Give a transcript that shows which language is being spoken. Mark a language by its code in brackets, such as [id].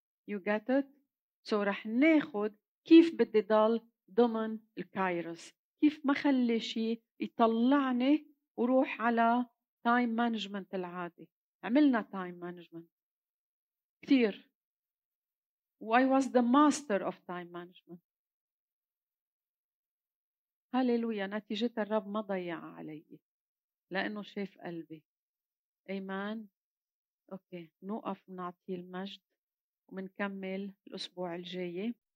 [en] You get it. [ar] So رح ناخد كيف بدي ضل ضمن الكايروس، كيف ما خلي شيء يطلعني وروح على [en] time management [ar] العادي. عملنا [en] time management [ar] كتير. [en] I was the master of time management. [ar] هاليلويا. نتيجة الرب ما ضيع علي لأنه شاف قلبي. إيمان. أوكي نوقف نعطي المجد ومنكمل الأسبوع الجاي.